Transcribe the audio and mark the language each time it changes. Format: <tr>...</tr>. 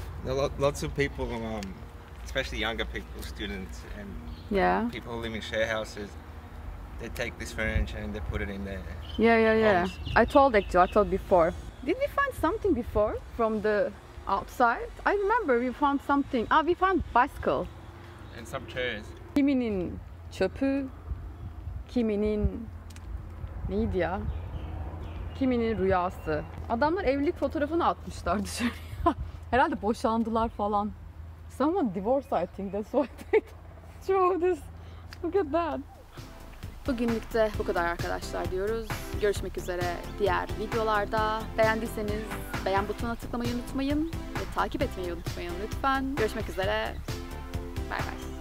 <en>Lots of people, especially younger people, students and yeah. People who live in share houses, they take this furniture and they put it in there. Yeah. I told before. Did we find something before from the outside? I remember we found something. Ah, we found bicycle. And some chairs.</en> <tr>Kiminin çöpü, kiminin neydi ya? Kiminin rüyası. Adamlar evlilik fotoğrafını atmışlar dışarıya. Herhalde boşandılar falan.</tr> <en>Someone divorced, I think that's what they did. Show this. Look at that.</en> <tr>Bugünlük de bu kadar arkadaşlar diyoruz. Görüşmek üzere diğer videolarda. Beğendiyseniz beğen butonuna tıklamayı unutmayın. Ve takip etmeyi unutmayın lütfen. Görüşmek üzere. Bay bay.</tr>